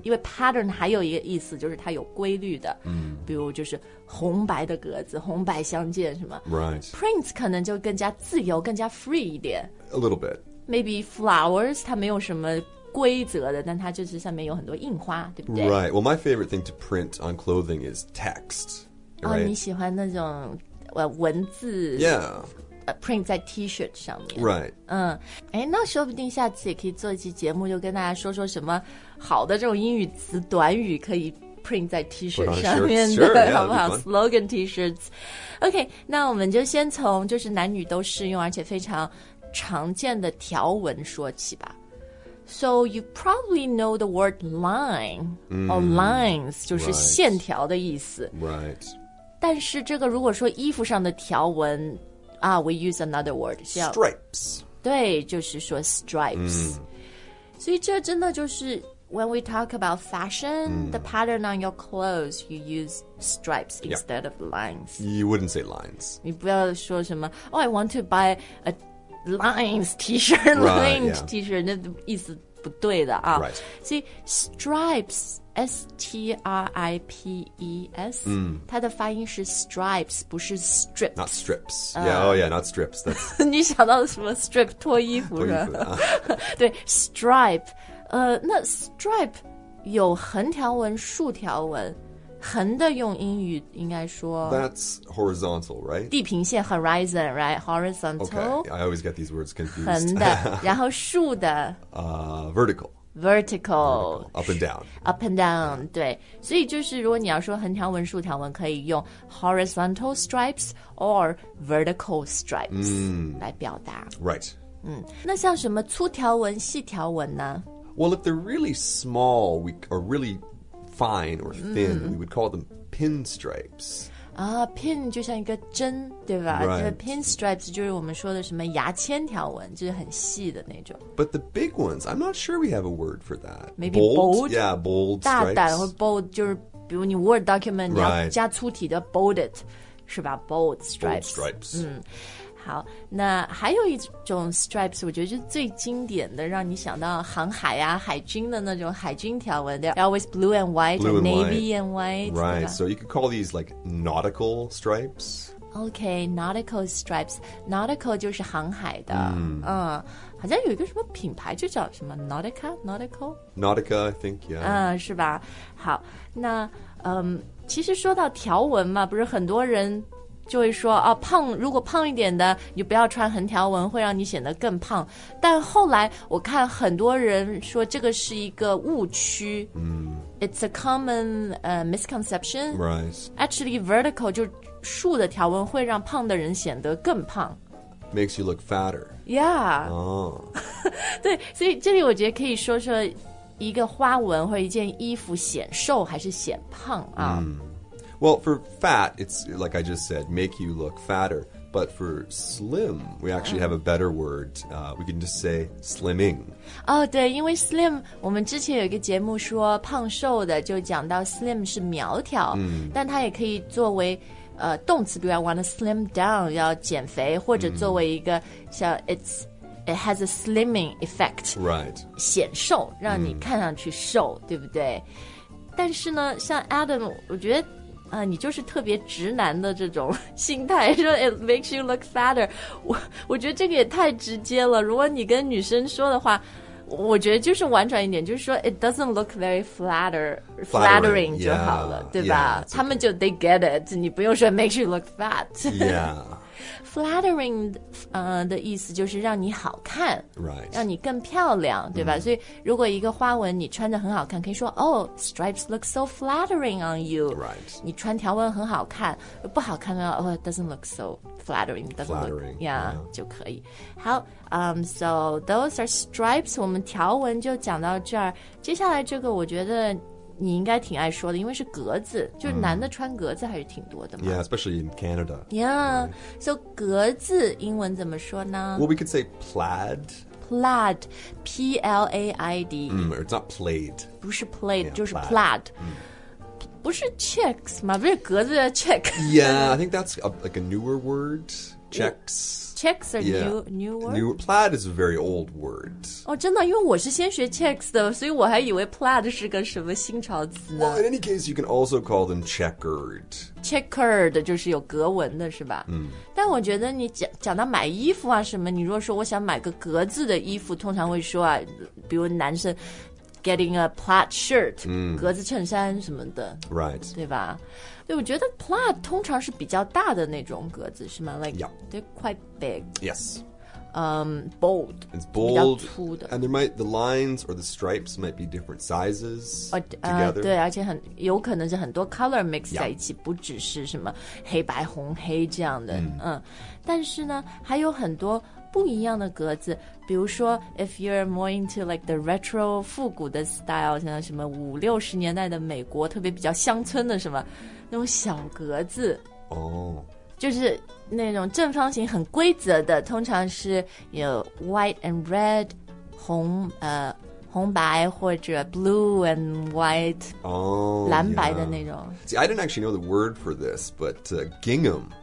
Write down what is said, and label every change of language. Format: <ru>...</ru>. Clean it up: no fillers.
<zh>因为 pattern 还有一个意思就是它有规律的、比如就是红白的格子，红白相间什么。</zh> <en>Right.</en> <zh>Prints 可能就更加自由，更加 free 一点。</zh> <en>A little bit. Maybe flowers,</en> <zh>它没有什么规则的，但它就是上面有很多印花，对不对？</zh> <en>Right. Well, my favorite thing to print on clothing is text. Right?</en> <zh>哦，你喜欢那种文字。</zh> <en>Yeah.</en> <zh>Print 在 T-shirt 上面</zh> <en>Right</en> <zh>哎，那说不定下次也可以做一期节目，就跟大家说说什么好的这种英语词短语可以 print 在 T-shirt 上面的</zh> <en>sure, yeah,</en> <zh>好不好</zh> <en>Slogan T-shirts OK</en> <zh>那我们就先从就是男女都适用而且非常常见的条纹说起吧</zh> <en>So you probably know the word line or lines</en> <zh>就是线条的意思</zh> <en>Right</en> <zh>但是这个如果说衣服上的条纹</zh> <en>we use another word. Stripes.</en> <zh>对，就是说 stripes. 所以这真的就是</zh> <en>when we talk about fashion,the pattern on your clothes, you use stripes instead of lines. You wouldn't say lines.</en> <zh>你不要说什么</zh> <en>I want to buy a lines t-shirt, right, lined、 yeah.</en> <zh>t-shirt, 那意思不对的啊。</zh> <en>Right.</en> <zh>所以 stripes,S-T-R-I-P-E-S,它的发音是 stripes, 不是 strips.</zh> <en>Not strips. Yeah, oh yeah, not strips.</en> <zh>你想到什么 strip, 脱衣服的。对, stripe. 那 stripe 有横条纹、竖条纹。横的用英语应该说</zh> <en>That's horizontal, right?</en> <zh>地平线</zh> <en>horizon, right? Horizontal. Okay, I always get these words confused.</en> <zh>横的,然后竖的。</zh> <en>Vertical. Vertical, up and down. Up and down, 对。</en> <zh>所以就是如果你要说横条纹、竖条纹可以用</zh> <en>horizontal stripes or vertical stripes</en> <zh>来表达。</zh> <en>Right.</en> <zh>那像什么粗条纹、细条纹呢?</zh> <en>Well, if they're really small or really fine or thin, we would call them pinstripes.</en> <zh>Pin 就像一个针对吧、</zh> <en>right.</en> <zh>Pinstripes 就是我们说的什么牙签条纹就是很细的那种</zh> <en>But the big ones I'm not sure we have a word for that Maybe bold Yeah, bold</en> <zh>大胆</zh> <en>stripes</en> <zh>或 bold 就是比如你 word document、</zh> <en>right.</en> <zh>你要加粗体的</zh> <en>bold it</en> <zh>是吧</zh> <en>bold stripes, bold stripes.</en> <zh>好那还有一种 stripes 我觉得就是最经典的让你想到航海啊海军的那种海军条纹</zh> <en>They're always blue and white blue and navy white. and white Right, so you could call these like nautical stripes Okay, nautical stripes</en> <zh>Nautical 就是航海的、好像有一个什么品牌就叫什么 Nautica, Nautical?</zh> <en>Nautica, I think, yeah</en> <zh>是吧好那其实说到条纹嘛不是很多人就会说、啊、胖如果胖一点的你不要穿横条纹会让你显得更胖但后来我看很多人说这个是一个误区、</zh> <en>It's a common misconception、 right. Actually vertical</en> <zh>就竖的条纹会让胖的人显得更胖</zh> <en>Makes you look fatter</en> <zh>Yeah、对所以这里我觉得可以说说一个花纹或一件衣服显瘦还是显胖啊、</zh> <en>Well, for fat, it's like I just said, make you look fatter. But for slim, we actually have a better word. We can just say slimming.</en> <zh>哦、oh, 对因为 slim, 我们之前有一个节目说胖瘦的就讲到 slim 是苗条、mm. 但它也可以作为、动词比如</zh> <en>I want to slim down,</en> <zh>要减肥或者作为一个、mm.</zh> <en>像 it has a slimming effect. Right.</en> <zh>显瘦让你看上去瘦、mm. 对不对但是呢像 Adam, 我觉得啊、你就是特别直男的这种心态说</zh> <en>it makes you look fatter</en> <zh>我觉得这个也太直接了如果你跟女生说的话我觉得就是婉转一点就是说</zh> <en>it doesn't look very flattering</en> <zh>就好了</zh> <en>yeah,</en> <zh>对吧</zh> <en>yeah, okay.</en> <zh>他们就</zh> <en>they get it</en> <zh>你不用说</zh> <en>makes you look fat yeah</en> <zh>flattering、的意思就是让你好看、</zh> <en>right.</en> <zh>让你更漂亮对吧、mm. 所以如果一个花纹你穿得很好看可以说</zh> <en>oh stripes look so flattering on you、 right.</en> <zh>你穿条纹很好看不好看的话</zh> <en>oh it doesn't look so flattering flattering look, yeah, yeah</en> <zh>就可以好、</zh> <en>so those are stripes</en> <zh>我们条纹就讲到这儿接下来这个我觉得你应该挺爱说的因为是格子就是男的穿格子还是挺多的嘛、 mm.</zh> <en>Yeah, especially in Canada Yeah,、right.</en> <zh>so 格子英文怎么说呢</zh> <en>Well, we could say plaid Plaid, P-L-A-I-D、 mm, or It's not plaid</en> <zh>不是 plaid,</zh> <en>yeah,</en> <zh>就是 plaid、 mm. 不是 checks 吗不是格子的 check</zh> <en>Yeah, I think that's a, like a newer word, checks Checks are、 yeah. new word? Plaid is a very old word.</en> <zh>Oh, 真的因为我是先学 checks 的所以我还以为 plaid 是个什么新潮词呢</zh> <en>Well, in any case, you can also call them checkered.</en> <zh>Checkered 就是有格纹的是吧、 mm. 但我觉得你 讲到买衣服啊什么你如果说我想买个格子的衣服通常会说啊比如男生</zh> <en>getting a plaid shirt,、 mm.</en> <zh>格子衬衫什么的。</zh> <en>Right.</en> <zh>对吧对我觉得 plaid 通常是比较大的那种格子是吗 like、</zh> <en>yeah. they're quite big yes、 bold it's bold</en> <zh>比较粗的</zh> <en>and there might the lines or the stripes might be different sizes together</en> <zh>对而且很有可能是很多 color mix 在一起、yeah. 不只是什么黑白红黑这样的、mm. 但是呢还有很多不一样的格子比如说</zh> <en>if you're more into like the retro</en> <zh>复古的 style 像什么五六十年代的美国特别比较乡村的什么那种小格子哦、oh. 就是那种正方形很规则的通常是有</zh> <en>white and red</en> <zh>红白或者</zh> <en>blue and white 哦、oh,</en> <zh>蓝白的那种、</zh> <en>yeah. See, I didn't actually know the word for this but gingham</en>